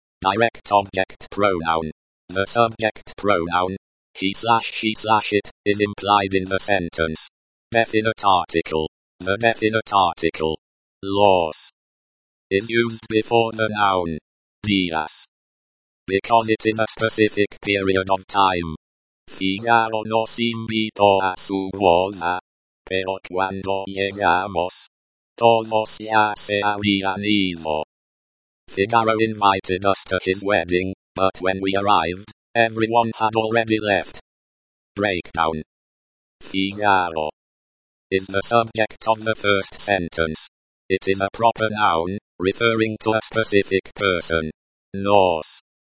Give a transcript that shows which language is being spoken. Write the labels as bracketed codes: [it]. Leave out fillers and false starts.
[en] Direct object pronoun. The subject pronoun, he/she/it, is implied in the sentence. Definite article. The definite article. Los. Is used before the noun. Días. Because it is a specific period of time. [es] Figaro nos invito a su boda. Pero cuando llegamos, todos ya se habían ido. [en] Figaro invited us to his wedding, but when we arrived, everyone had already left. Breakdown. Figaro. Is the subject of the first sentence. It is a proper noun, referring to a specific person. Nos.